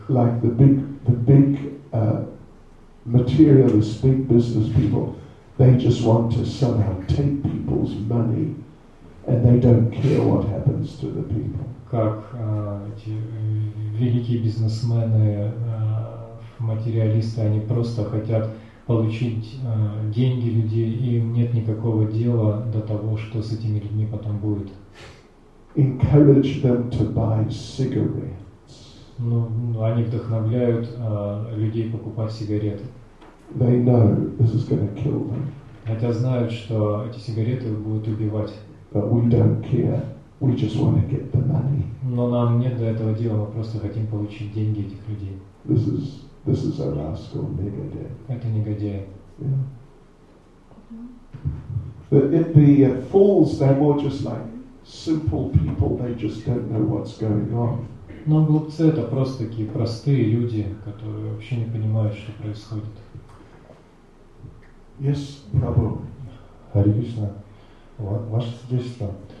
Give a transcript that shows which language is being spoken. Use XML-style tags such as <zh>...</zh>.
<en>like the big materialist big business people, they just want to somehow take people's money, and they don't care what happens to the people.</en> <ru>Как эти великие бизнесмены, материалисты, они просто хотят получить деньги людей, и им нет никакого дела до того, что с этими людьми потом будет.</ru> <en>Encourage them to buy cigarettes.</en> <ru>Ну, они вдохновляют людей покупать сигареты.</ru> <en>They know this is going to kill them.</en> <ru>Хотя знают, что эти сигареты будут убивать.</ru> <en>But we don't care. We just want to get the money.</en> <ru>Но нам нет до этого дела, мы просто хотим получить деньги этих людей.</ru> <en>This is a rascal, negative.</en> <ru>Это негодяй.</ru> <en>Yeah. The fools, they're more just like simple people. They just don't know what's going on.</en> <ru>Но глупцы — это просто такие простые люди, которые вообще не понимают, что происходит.</ru> <en>Yes, Prabhu.</en> <ru>Hare Krishna. Ваше свидетельство.</ru>